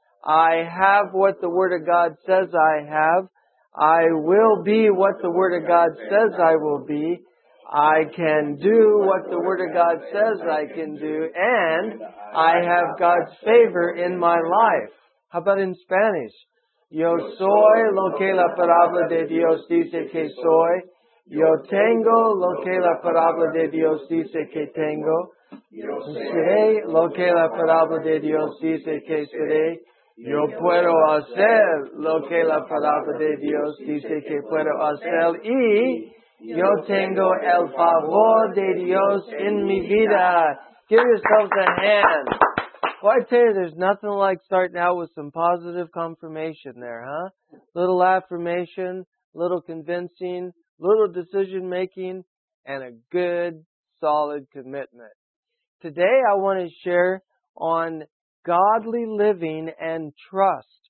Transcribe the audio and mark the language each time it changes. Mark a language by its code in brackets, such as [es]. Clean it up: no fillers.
[en] I have what the Word of God says I have. I will be what the Word of God says I will be. I can do what the Word of God says I can do. And I have God's favor in my life. How about in Spanish? [es] Yo soy lo que la palabra de Dios dice que soy. Yo tengo lo que la palabra de Dios dice que tengo. Yo seré lo que la palabra de Dios dice que seré. Yo puedo hacer lo que la palabra de Dios dice que puedo hacer. Y yo tengo el favor de Dios en mi vida. [en] Give yourselves a hand. Well, I tell you, there's nothing like starting out with some positive confirmation there, huh? Little affirmation, little convincing, little decision making, and a good, solid commitment. Today I want to share on godly living and trust.